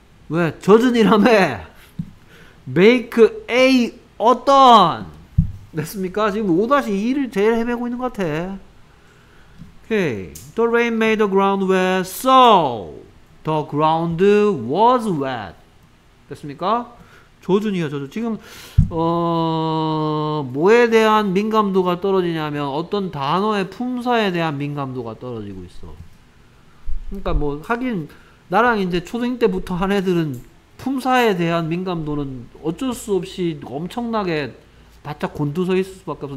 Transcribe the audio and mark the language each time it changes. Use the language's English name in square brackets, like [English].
[Korean] 왜? 젖은이라며? [English] make a [Korean] 어떤? 됐습니까? 지금 5-2를 제일 헤매고 있는 것 같아. Okay. [English] The rain made the ground wet, so the ground was wet. [Korean] 됐습니까? 젖은이야, 젖은. 지금, 뭐에 대한 민감도가 떨어지냐면 어떤 단어의 품사에 대한 민감도가 떨어지고 있어. 그러니까 뭐, 하긴, 나랑 이제 초등 때부터 한 애들은 품사에 대한 민감도는 어쩔 수 없이 엄청나게 바짝 곤두서 있을 수밖에 없어.